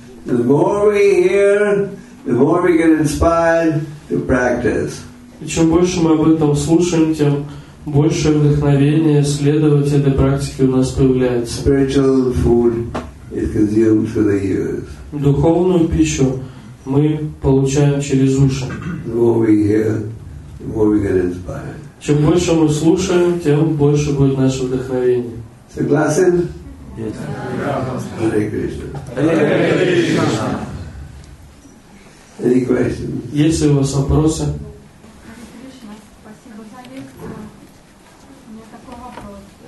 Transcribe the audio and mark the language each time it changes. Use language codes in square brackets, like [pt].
[en] The more we get inspired to practice. [ru] Чем больше мы об этом слушаем, тем больше вдохновения следовать этой практике у нас появляется. [en] Spiritual food is consumed through the ears. [ru] Духовную пищу мы получаем через уши. [en] The more we hear, the more we get inspired. [ru] Чем больше мы слушаем, тем больше будет наше вдохновение. Согласен? [en] Yes. Hare Krishna. Hare Krishna. Any questions? [ru] Есть ли у вас вопросы? Спасибо за лекцию. У меня такой вопрос.